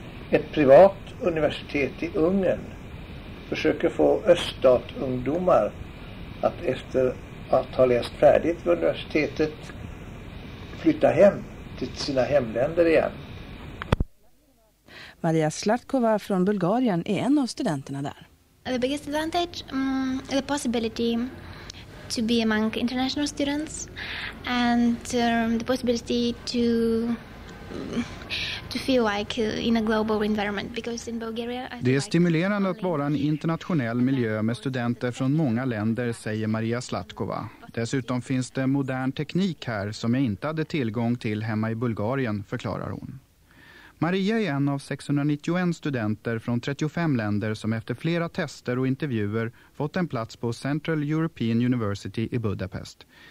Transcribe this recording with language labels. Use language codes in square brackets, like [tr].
[sv] Ett privat universitet i Ungern försöker få öststatungdomar att efter att ha läst färdigt vid universitetet flytta hem till sina hemländer igen. Maria Slatkova från Bulgarien är en av studenterna där. [en] The biggest advantage is the possibility to be among international students and the possibility to feel like in a global environment because in Bulgaria. [sv] Det är stimulerande att vara en internationell miljö med studenter från många länder, säger Maria Slatkova. Dessutom finns det modern teknik här som jag inte hade tillgång till hemma i Bulgarien, förklarar hon. Maria är en av 691 studenter från 35 länder som efter flera tester och intervjuer fått en plats på Central European University i Budapest.